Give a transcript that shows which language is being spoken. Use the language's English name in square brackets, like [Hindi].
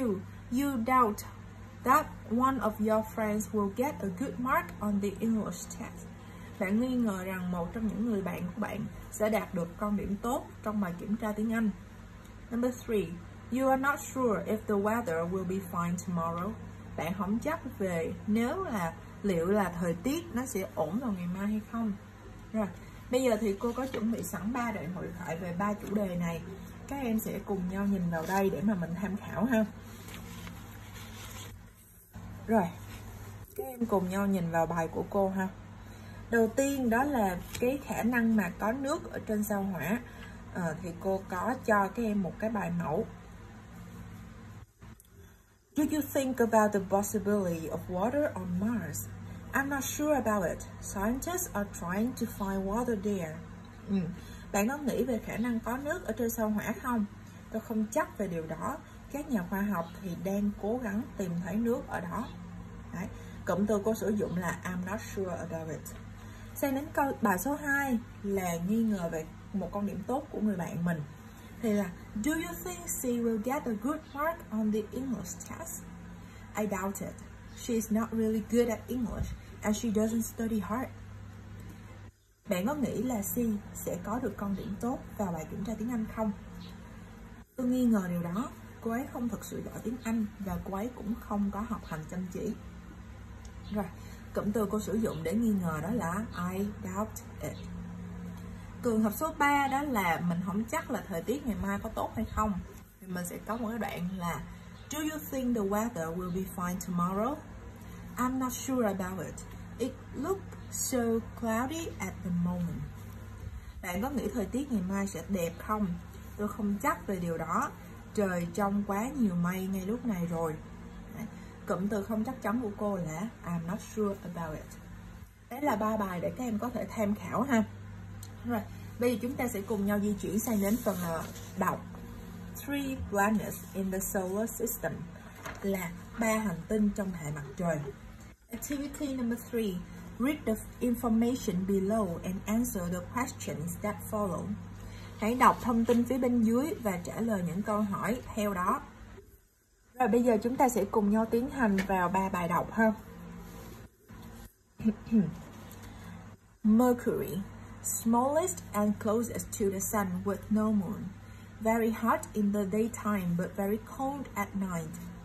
[English] You doubt that one of your friends will get a good mark on the English test. [Vietnamese] Bạn nghi ngờ rằng một trong những người bạn của bạn sẽ đạt được con điểm tốt trong bài kiểm tra tiếng Anh. [English] Number 3. You are not sure if the weather will be fine tomorrow. [Vietnamese] Bạn không chắc về liệu là thời tiết nó sẽ ổn vào ngày mai hay không. Rồi, bây giờ thì cô có chuẩn bị sẵn 3 đoạn hội thoại về 3 chủ đề này. Các em sẽ cùng nhau nhìn vào đây để mà mình tham khảo ha. Rồi, các em cùng nhau nhìn vào bài của cô ha. Đầu tiên đó là cái khả năng mà có nước ở trên sao Hỏa. Thì cô có cho các em một cái bài mẫu. [English] Do you think about the possibility of water on Mars? I'm not sure about it. Scientists are trying to find water there. [Vietnamese] Bạn có nghĩ về khả năng có nước ở trên sao Hỏa không? Tôi không chắc về điều đó. Các nhà khoa học thì đang cố gắng tìm thấy nước ở đó. Đấy. Cụm từ cô sử dụng là [English] I'm not sure about it. [Vietnamese] Sang đến câu bài số 2 là nghi ngờ về một con điểm tốt của người bạn mình. Thì là, [English] do you think she will get a good mark on the English test? I doubt it. She is not really good at English and she doesn't study hard. [Vietnamese] Bạn có nghĩ là she sẽ có được con điểm tốt vào bài kiểm tra tiếng Anh không? Tôi nghi ngờ điều đó. Cô ấy không thực sự giỏi tiếng Anh và cô ấy cũng không có học hành chăm chỉ. Rồi, cụm từ cô sử dụng để nghi ngờ đó là [English] I doubt it. [Vietnamese] Cường hợp số 3 đó là mình không chắc là thời tiết ngày mai có tốt hay không. Thì mình sẽ có một cái đoạn là [English] Do you think the weather will be fine tomorrow? I'm not sure about it. It looks so cloudy at the moment. [Vietnamese] Bạn có nghĩ thời tiết ngày mai sẽ đẹp không? Tôi không chắc về điều đó. Trời trong quá nhiều mây ngay lúc này rồi. Cụm từ không chắc chắn của cô là [English] I'm not sure about it. [Vietnamese] Đấy là ba bài để các em có thể tham khảo ha. Rồi, bây giờ chúng ta sẽ cùng nhau di chuyển sang đến phần đọc. [English] Three planets in the solar system [Vietnamese] là ba hành tinh trong hệ mặt trời. [English] Activity number 3. Read the information below and answer the questions that follow. [Vietnamese] Hãy đọc thông tin phía bên dưới và trả lời những câu hỏi theo đó. Rồi bây giờ chúng ta sẽ cùng nhau tiến hành vào ba bài đọc ha. [English] Mercury, smallest and closest to the sun with no moon. Very hot in the daytime but very cold at night.